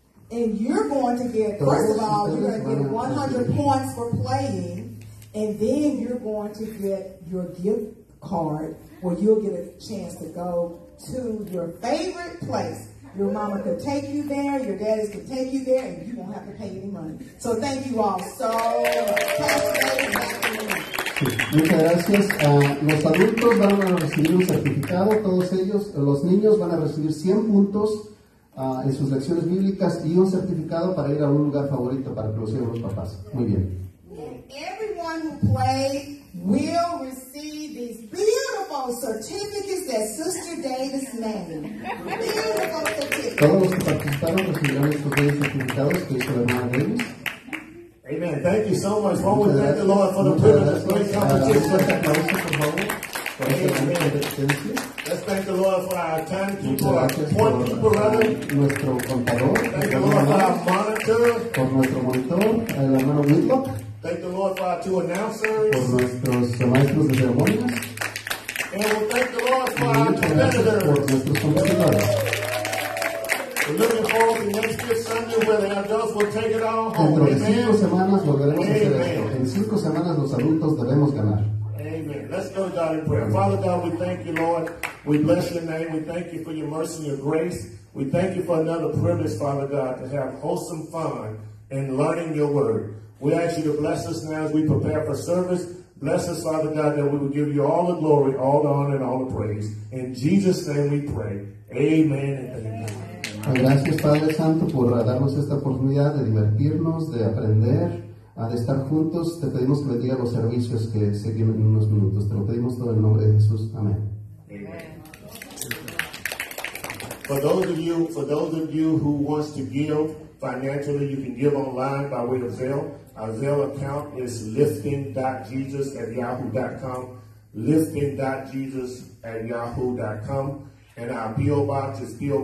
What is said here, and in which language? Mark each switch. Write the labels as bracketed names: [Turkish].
[English] And you're going to get, first of all, you're going to get 100 points for playing, and then you're going to get your gift card, where you'll get a chance to go to your favorite place. Your mama could take you there, your daddies could take you there, and you won't have to pay any money. So thank you all so much. [Spanish] Muchas gracias. Los adultos van a recibir un certificado, todos ellos. Los niños van a recibir 100 puntos en sus lecciones bíblicas y un certificado para ir a un lugar favorito para conocer a los papás. Muy bien. [English] Everyone who plays will receive these beautiful certificates that Sister Davis made. Beautiful certificates. [Spanish] Todos los que participaron recibirán estos bellos certificados que hizo la hermana Davis. [English] Amen. Thank you so much. Well, we thank the Lord for the privilege. Let's thank the Lord for our timekeeper, our point keeper, rather. [Spanish] Nuestro contador. [English] Thank the Lord for our monitor. [Spanish] Por nuestro monitor, el hermano Wilco. [English] Thank the Lord for our two announcers. [Spanish] Por nuestros maestros de ceremonias. [English] And we thank the Lord for our competitors. [Spanish] Por nuestros competidores. [English] We're looking forward to next year's Sunday where the adults will take it all home. [Spanish] Dentro de cinco semanas volveremos a hacer esto. En cinco semanas los adultos debemos ganar. [English] Amen. Let's go, God, in prayer. Father God, we thank you, Lord. We bless your name. We thank you for your mercy and your grace. We thank you for another privilege, Father God, to have wholesome fun in learning your word. We ask you to bless us now as we prepare for service. Bless us, Father God, that we will give you all the glory, all the honor, and all the praise. In Jesus' name we pray. Amen and amen. [Spanish] Gracias, Padre Santo, por darnos esta oportunidad de divertirnos, de aprender, de estar juntos. Te pedimos que bendiga los servicios que se vienen en unos minutos. Te lo pedimos todo en el nombre de Jesús. Amén. [English] For those of you, who wants to give financially, you can give online by way of Zelle. Our Zelle account is lifting.jesus@yahoo.com. lifting.jesus@yahoo.com. And our P.O. Box is P.O.